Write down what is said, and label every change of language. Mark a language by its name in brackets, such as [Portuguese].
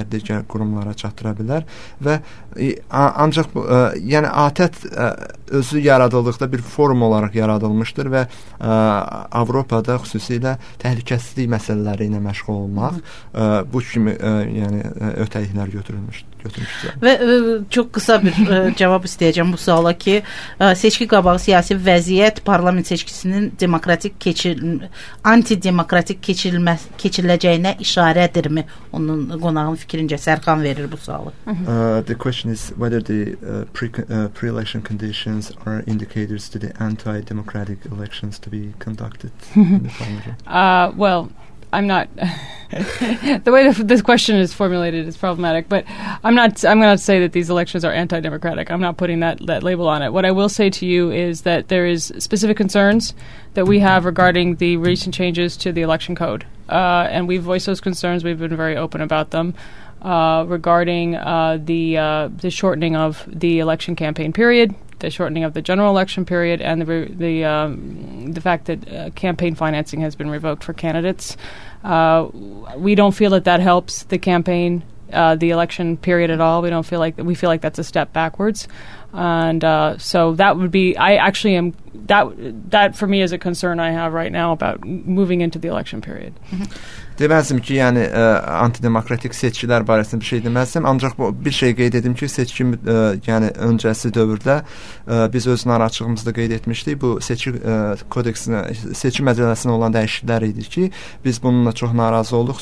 [Azerbaijani] digər qurumlara çatdıra bilər və ancaq yəni ATƏT özü yaradıldıqda bir forum olaraq yaradılmışdır və Avropada xüsusilə təhlükəsizlik məsələləri ilə məşğul olmaq bu kimi yəni ötəliklər götürülmüşdür. Və çox qısa bir cavab istəyəcəm bu suala ki, seçki qabağı siyasi vəziyyət parlament seçkisinin demokratik antidemokratik keçiriləcəyinə işarədirmi? Onun qonağın fikrincə Sərxan verir bu sualı. [English] The question is whether the pre-election conditions are indicators to the anti-democratic elections to be conducted in the parliament. Well, I'm not the way this question is formulated is problematic, but I'm going to say that these elections are anti-democratic. I'm not putting that label on it. What I will say to you is that there is specific concerns that we have regarding the recent changes to the election code. And we've voiced those concerns. We've been very open about them regarding the shortening of the election campaign period, the shortening of the general election period, and the fact that campaign financing has been revoked for candidates. We don't feel that helps the campaign, the election period at all. We feel like that's a step backwards. And so that would be, I actually am, that for me is a concern I have right now about moving into the election period. [Azerbaijani] Deməzdim ki, yəni antidemokratik seçkilər barəsində bir şey deməzdim. Ancaq bir şey qeyd edim ki, seçki yəni öncəsi dövrdə biz öz narahatçılığımızı qeyd etmişdik. Bu seçki kodeksinə, seçki məcəlləsinə olan dəyişikliklər idi ki, biz bununla çox narazı olduq.